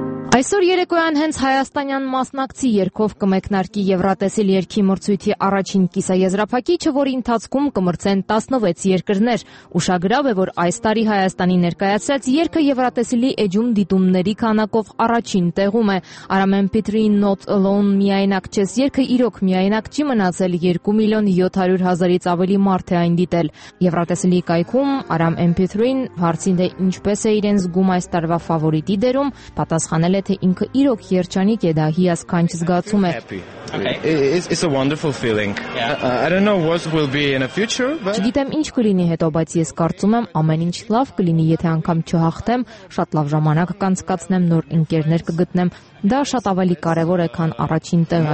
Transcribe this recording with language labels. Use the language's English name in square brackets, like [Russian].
[Armenian] Այսօր երեկոյան հենց հայաստանյան մասնակցի երգով կմեկնարկի Եվրատեսիլ երգի մրցույթի առաջին կիսաեզրափակիչը, որի ընթացքում կմրցեն 16 երկրներ։ Ուշագրավ է, որ այս տարի Հայաստանի ներկայացրած երգը Եվրատեսիլի Էջում դիտումների քանակով առաջին տեղում է։ Արամ Մ.Պետրին Not Alone, միայնակ չես երգը իրոք միայնակ չի մնացել, 2,700,000-ից ավելի մարդ է այն դիտել։ Եվրատեսիլի կայքում Արամ Մ.Պետրին, հարցին թե ինչպես է իրեն զգում այս տարվա ֆավորիտի դերում, պատասխանել է, թե ինքը իրոք երջանիկ է, դա հիասքանչ զգացում է։ [English] It's a wonderful feeling. Yeah. I don't know what will be in the future, but [Armenian] Չգիտեմ ինչ կլինի հետո, բայց ես կարծում եմ, ամեն ինչ լավ կլինի, եթե անգամ չհաղթեմ, շատ լավ ժամանակ կանցկացնեմ, նոր ընկերներ կգտնեմ։ Դա շատ ավելի կարևոր է, քան առաջին տեղը,